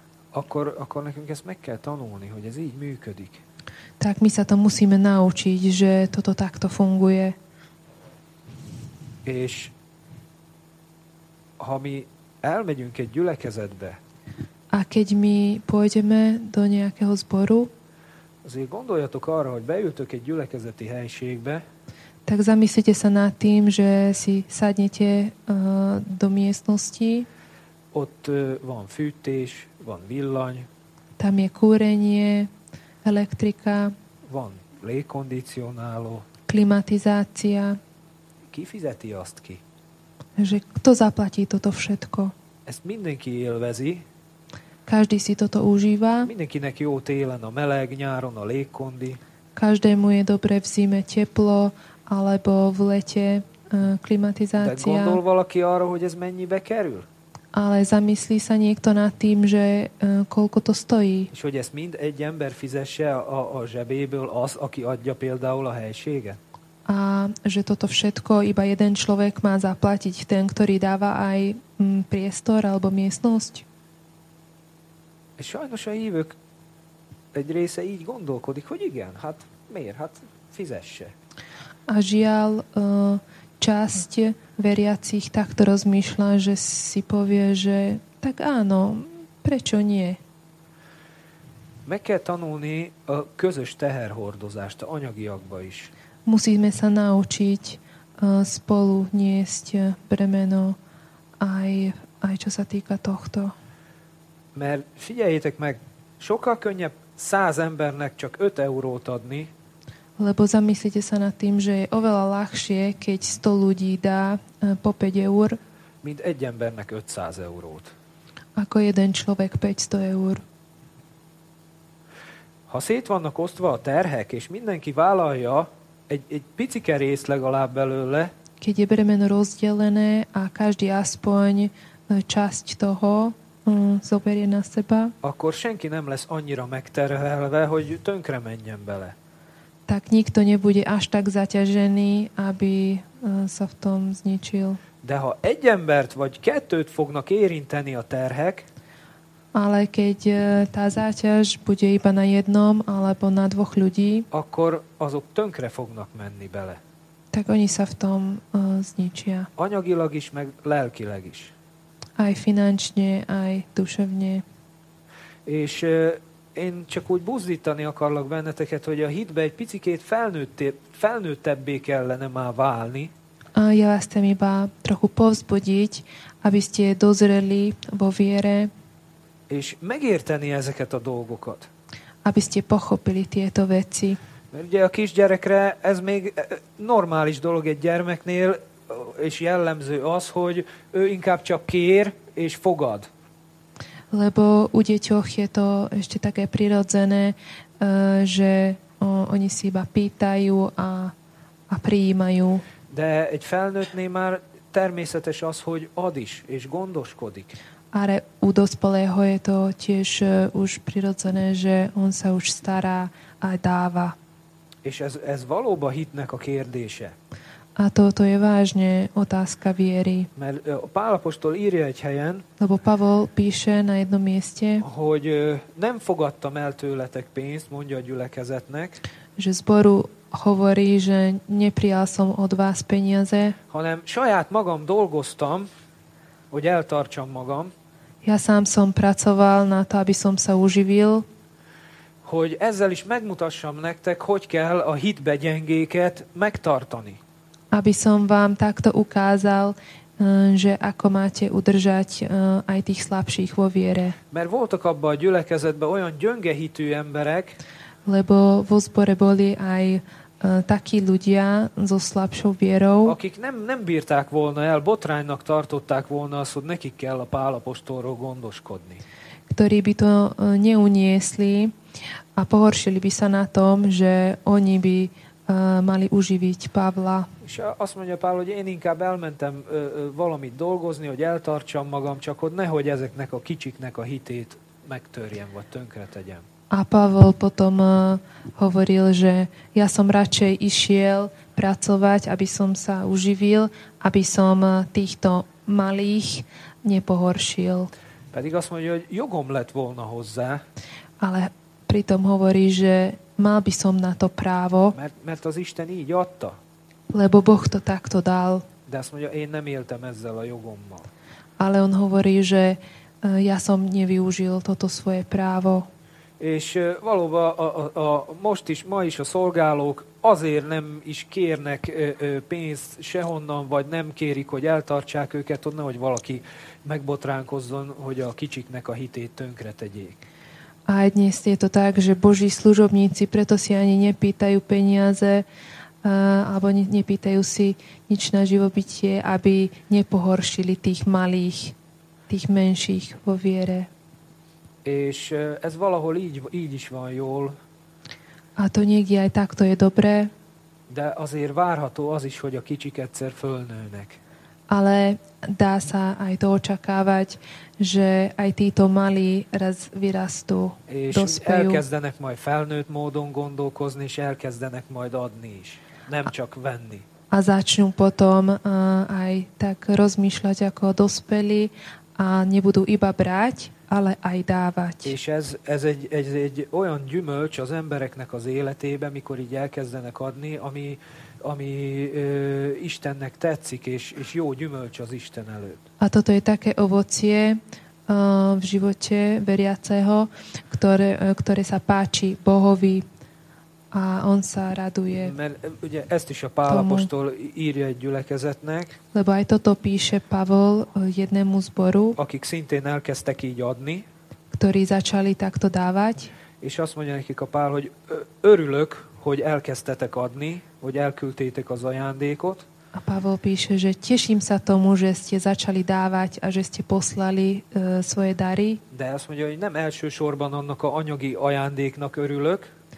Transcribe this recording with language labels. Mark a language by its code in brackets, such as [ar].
[hu] akkor nekünk ezt meg kell tanulni, hogy ez így működik. [sk] Tak my sa to musíme naučiť, že toto takto funguje. [hu] És ha mi elmegyünk egy gyülekezetbe, [sk] a keď mi pôjdeme do nejakého zboru, [hu] azért gondoljatok arra, hogy beültök egy gyülekezeti helységbe, [sk] tak zamyslite sa nad tým, že si sadnete do miestnosti, [hu] ott van fűtés, van villany, [sk] tam je kúrenie, elektrika, [hu] van légkondicionáló, [sk] klimatizácia, [hu] ki fizeti azt ki? [sk] Že kto zaplatí toto všetko? [hu] Ezt mindenki élvezi. [sk] Každý si toto užíva. [hu] Mindenkinek jó télen a meleg, nyáron a légkondi. [sk] Každému je dobre v zime teplo, alebo v lete klimatizácia. [hu] De gondol valaki arra, hogy ez mennyibe kerül? [sk] Ale zamyslí sa niekto nad tým, že koľko to stojí. [hu] És hogy ezt mind egy ember fizesse a zsebéből az, aki adja például a helységet? [sk] A že toto všetko iba jeden človek má zaplatiť, ten, ktorý dáva aj priestor alebo miestnosť. [hu] És sajnos a hívők egy része így gondolkodik, hogy igen, hát miért, hát fizesse. [sk] A žiaľ, časť veriacich takto rozmýšľa, že si povie, že tak áno, prečo nie? [hu] Meg kell tanulni a közös teherhordozást, anyagiakba is. [sk] Musíme sa naučiť spolu niesť bremeno aj čo sa týka tohto. [hu] Mert figyeljétek meg, sokkal könnyebb 100 embernek csak 5 eurót adni. [sk] Lebo zamyslite sa nad tým, že je oveľa ľahšie, keď 100 ľudí dá po 5 eur. [hu] Mint egy embernek 500 eurót. [sk] Ako jeden človek 500 eur. [hu] Ha szét vannak osztva a terhek, és mindenki vállalja, Egy picike rész legalább belőle. [sk] Keď je bremeno rozdelené a každý aspoň časť toho zoberie na seba, [hu] akkor senki nem lesz annyira megterhelve, hogy tönkre menjen bele. [sk] Tak nikto nebude až tak zaťažený, aby sa v tom zničil. [hu] De ha egy embert vagy kettőt fognak érinteni a terhek, [sk] ale keď tá záťaž bude iba na jednom alebo na dvoch ľudí, [hu] akkor azok tönkre fognak menni bele. [sk] Tak oni sa v tom zničia. [hu] Anyagilag is, meg lelkileg is. [sk] Aj finančne, aj duševne. [hu] És én csak úgy buzdítani akarlak benneteket, hogy a hitbe egy picikét felnőttebbé kellene már válni. [sk] A ja vás chcem iba trochu povzbudiť, aby ste dozreli vo viere, [hu] és megérteni ezeket a dolgokat. [sk] Aby ste pochopili tieto veci. [hu] Mert ugye a kisgyerekre ez még normális dolog egy gyermeknél, és jellemző az, hogy ő inkább csak kér és fogad. [sk] Lebo u deťoch je to ešte také prirodzené, že oni si iba pýtajú a prijímajú. [hu] De egy felnőttné már természetes az, hogy ad is és gondoskodik. [sk] Ale u dospelého je to tiež už prirodzené, že on sa už stará a dáva. [hu] És ez valóba hitnek a kérdése. [sk] A toto je vážne otázka viery. [hu] Mert Pál apostol írja egy helyen, [sk] lebo Pavol píše na jednom mieste, [hu] hogy nem fogadtam el tőletek pénzt, mondja a gyülekezetnek, [sk] že zboru hovorí, že neprijal som od vás peniaze. [hu] Hanem saját magam dolgoztam, hogy eltartsam magam. [sk] Ja sám som pracoval na to, aby som sa uživil. [hu] Hogy ezzel is megmutassam nektek, hogy kell a hitbe gyengéket megtartani. [sk] Aby som vám takto ukázal, že ako máte udržať aj tých slabších vo viere. [hu] Mert voltak abban a gyülekezetben olyan gyönge hitű emberek, [sk] lebo vo zbore boli aj takí ľudia so slabšou vierou, [hu] akik nem bírták volna el, botránynak tartották volna azt, hogy nekik kell a Pál apostolról gondoskodni. [sk] Ktorí by to neuniesli a pohoršili by sa na tom, že oni by mali uživiť Pavla. [hu] És azt mondja Pál, hogy én inkább elmentem valamit dolgozni, hogy eltartsam magam, csak hogy nehogy ezeknek a kicsiknek a hitét megtörjem, vagy tönkre tegyem. [sk] A Pavel potom hovoril, že ja som radšej išiel pracovať, aby som sa uživil, aby som týchto malých nepohoršil. [hu] Pedig azt mondja, hogy jogom lett volna hozzá. [sk] Ale pritom hovorí, že mal by som na to právo. [hu] Mert az Isten így adta. [sk] Lebo Boh to takto dal. [hu] De azt mondja, én nem éltem ezzel a jogommal. [sk] Ale on hovorí, že ja som nevyužil toto svoje právo. [hu] És valóban a most is, ma is a szolgálók azért nem is kérnek pénzt sehonnan, vagy nem kérik, hogy eltartsák őket, hogy nehogy valaki megbotránkozzon, hogy a kicsiknek a hitét tönkre tegyék. [sk] A dnes je to tak, že Boží služobníci preto si ani nepýtajú peniaze, alebo nepýtajú si nič na živobytie, aby nepohoršili tých malých, tých menších vo viere. [hu] És ez valahol így is van jól. [sk] A to niekde aj takto je dobré. [hu] De azért várható az is, hogy a kicsik egyszer fölnőnek. [sk] Ale dá sa aj to očakávať, že aj títo malí raz vyrastú, dospejú. [hu] Elkezdenek majd felnőtt módon gondolkozni, és elkezdenek majd adni is, nem csak venni. [sk] A začnú potom aj tak rozmýšľať ako dospelí a nebudú iba brať, ale aj dávať. [hu] És ez egy olyan gyümölcs az embereknek az életébe, mikor így elkezdenek adni, ami Istennek tetszik, és jó gyümölcs az Isten előtt. [sk] A toto je také ovocie v živote veriaceho, ktoré sa páči Bohovi a on sa raduje. [hu] Mert ugye ezt is a Pál apostol írja egy gyülekezetnek. [sk] Lebo aj toto píše Pavol jednému zboru. [hu] Akik szintén elkezdtek így adni. [sk] Ktorí začali takto dávať. [hu] És azt mondja nekik a Pál, hogy örülök, hogy elkezdtetek adni, hogy elküldtétek az ajándékot. [sk] A Pavol píše, že teším sa tomu, že ste začali dávať a že ste poslali svoje dary. [hu] De azt mondja, hogy nem elsősorban annak a anyagi ajándéknak örülök.